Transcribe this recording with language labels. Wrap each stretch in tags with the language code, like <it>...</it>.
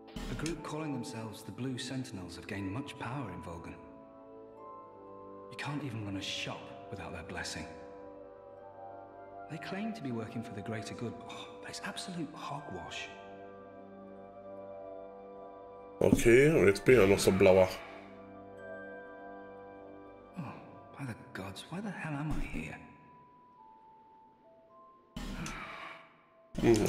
<en>A group calling themselves the Blue Sentinels have gained much power in Volgan. You can't even run a shop without their blessing. They claim to be working for the greater good, but it's absolute hogwash.</en> <de>Okay, jetzt bin ich ja noch so blauer.</de> <en>Oh, by the gods, why the hell am I here?</en>